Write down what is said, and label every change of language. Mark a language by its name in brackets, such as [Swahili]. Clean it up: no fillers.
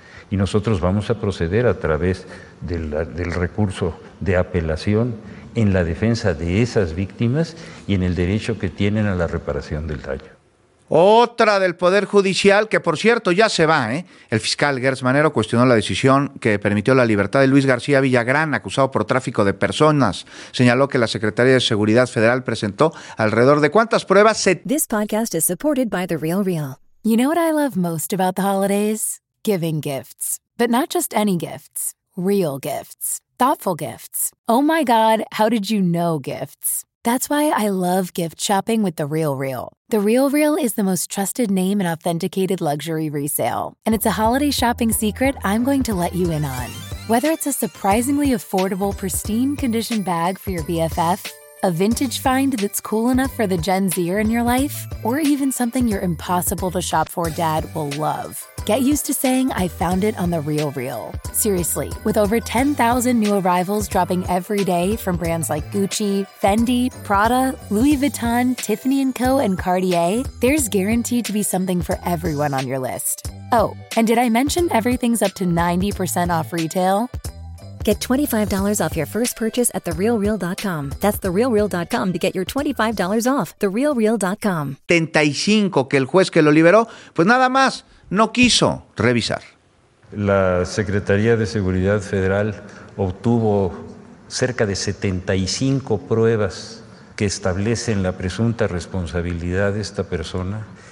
[Spanish] Y nosotros vamos a proceder a través del recurso de apelación en la defensa de esas víctimas y en el derecho que tienen a la reparación del daño. Otra del Poder Judicial, que por cierto ya se va, ¿eh? El fiscal Gertz Manero cuestionó la decisión que permitió la libertad de Luis García Villagrán, acusado por tráfico de personas. Señaló que la Secretaría de Seguridad Federal presentó alrededor de cuántas pruebas se... [English] This podcast is supported by The Real Real. You know what I love most about the holidays? Giving gifts. But not just any gifts. Real gifts. Thoughtful gifts. Oh my God, how did you know gifts? That's why I love gift shopping with The Real Real. The Real Real is the most trusted name in authenticated luxury resale. And it's a holiday shopping secret I'm going to let you in on. Whether it's a surprisingly affordable, pristine condition bag for your BFF, a vintage find that's cool enough for the Gen Zer in your life, or even something your impossible to shop for dad will love. Get used to saying, I found it on The Real Real. Seriously, with over 10,000 new arrivals dropping every day from brands like Gucci, Fendi, Prada, Louis Vuitton, Tiffany & Co., and Cartier, there's guaranteed to be something for everyone on your list. Oh, and did I mention everything's up to 90% off retail? Get $25 off your first purchase at TheRealReal.com. That's TheRealReal.com to get your $25 off. TheRealReal.com. [Spanish] 35, que el juez que lo liberó, pues nada más. No quiso revisar. La Secretaría de Seguridad Federal obtuvo cerca de 75 pruebas que establecen la presunta responsabilidad de esta persona.